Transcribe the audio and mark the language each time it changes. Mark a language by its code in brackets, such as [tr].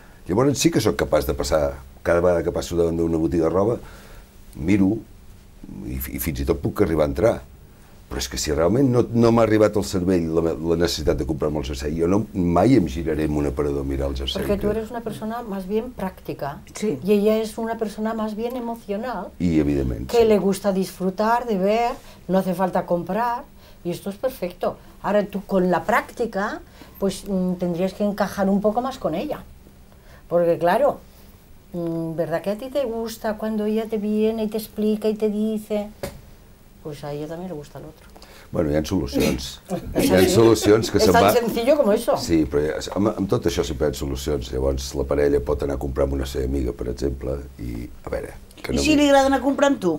[ca] Llavors sí que sóc capaç de passar, cada vegada que passo davant d'una botiga de roba, miro i fins i tot puc arribar a entrar. Però és que si realment no m'ha arribat al cervell la necessitat de comprar-me el jersei, jo no, mai em giraré en un aparador a mirar el jersei. Perquè tu eres una persona més ben pràctica. Sí. I ella és una persona més ben emocional. I evidentment. Que sí. [es] Li gusta disfrutar, de ver, no hace falta comprar. Y esto es perfecto. Ahora tú con la práctica, pues tendrías que encajar un poco más con ella. Porque claro, ¿verdad que a ti te gusta cuando ella te viene y te explica y te dice? Pues a ella también le gusta el otro. [ca] Bueno, hi ha solucions. Hi ha solucions que se'n va... És tan senzill com això. Sí, però amb tot això sempre hi ha solucions. Llavors la parella pot anar a comprar amb una seva amiga, per exemple, i a veure... Que no. I si li agrada anar a comprar amb tu?